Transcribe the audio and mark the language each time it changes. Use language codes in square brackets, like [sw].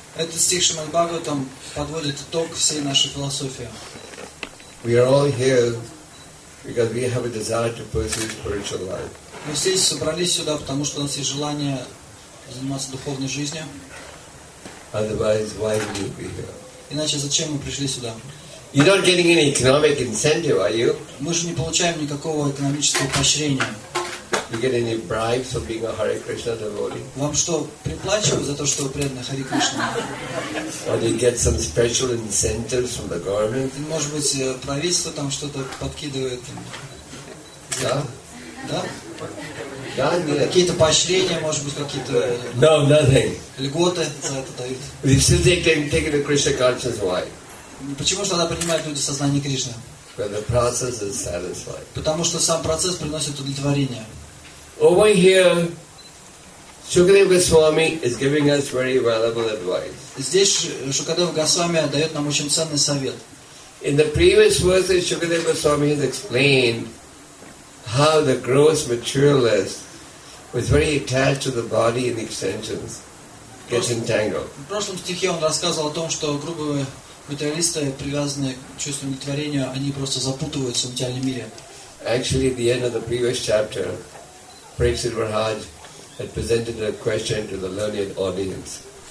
[ru] Этот стих Шримад-Бхагаватам подводит итог всей нашей философии. [en] We are all here because we have a desire to pursue spiritual life. [ru] Мы все собрались сюда, потому что у нас есть желание заниматься духовной жизнью. [en] Otherwise, why would you be here? [ru] Иначе зачем мы пришли сюда? [en] You're not getting any economic incentive, are you? [ru] Мы же не получаем никакого экономического поощрения. [en] You get any bribes for being a Hare Krishna devotee? [ru] Вам что, приплачивают за то, что вы преданы Хари Кришне? [en] Or do you get some special incentives from the government? [ru] Может быть, правительство там что-то подкидывает? Да? Да? Да, нет. Какие-то поощрения, может быть, какие-то... [en] No, nothing. [ru] Льготы за это дают. [en] If you think they can take it to Krishna consciousness, why? [ru] Почему же тогда принимают люди сознание Кришны? [en] Because the process is satisfied. [ru] Потому что сам процесс приносит удовлетворение. [en] Over here, Shukadeva Goswami is giving us very valuable advice. [ru] Здесь Шукадева Госвами дает нам очень ценный совет. [en] In the previous verses, Shukadeva Goswami has explained how the gross materialist was very attached to the body and extensions gets entangled. [ru] В прошлом стихе он рассказывал о том, что грубые материалисты, привязанные к чувству удовлетворения, они просто запутываются в материальном мире. [en] Actually, at the end of the previous chapter, Parikshit Maharaj had presented a question to the learned audience.